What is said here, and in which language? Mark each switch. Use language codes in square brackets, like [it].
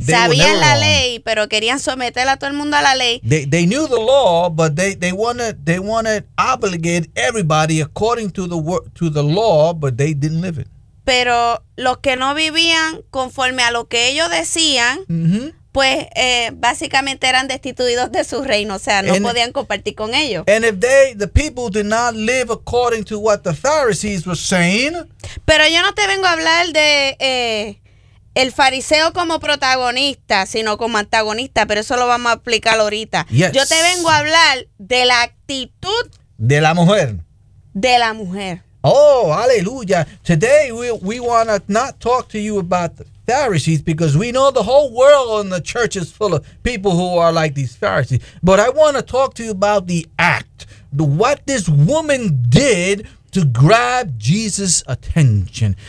[es] Sabían la ley, pero querían someter a todo el mundo a la ley. [en] They knew the law, but they wanted obligate everybody according to the law, but they didn't live it. [es] Pero los que no vivían conforme a lo que ellos decían. Mm-hmm. Pues básicamente eran destituidos de su reino, o sea, no podían compartir con ellos. [en] And if the people did not live according to what the Pharisees were saying. [es] Pero yo no te vengo a hablar de el fariseo como protagonista, sino como antagonista, pero eso lo vamos a explicar ahorita. [en] Yes. [es] Yo te vengo a hablar de la actitud de la mujer. De la mujer. Oh, aleluya. [en] Today we want to not talk to you about Pharisees, because we know the whole world and the church is full of people who are like these Pharisees. But I want to talk to you about the act, what this woman did to grab Jesus' attention.